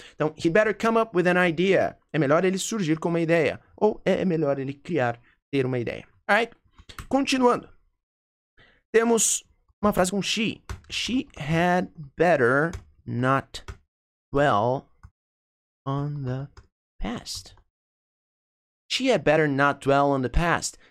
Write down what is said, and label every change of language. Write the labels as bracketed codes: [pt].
[en] Então, he'd better come up with an idea. [pt] É melhor ele surgir com uma ideia. Ou é melhor ele criar, ter uma ideia. Alright? Continuando. Temos uma frase com she. [en] She had better not dwell on the past. She had better not dwell on the past.